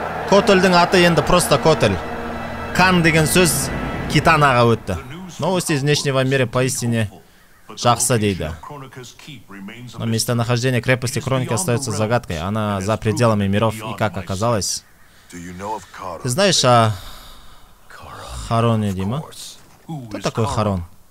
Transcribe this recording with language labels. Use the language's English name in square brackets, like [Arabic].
[Kazakh] Котельдің аты енді просто Котель. Кан деген сөз Китанаға өтті. [Russian] Новости из внешнего мира поистине [Kazakh] жақсы дейді. [Russian] Но местонахождение крепости Хроники остается загадкой. Она за пределами миров и как оказалось. Ты знаешь о Хароне, Дима? Кто такой Харон?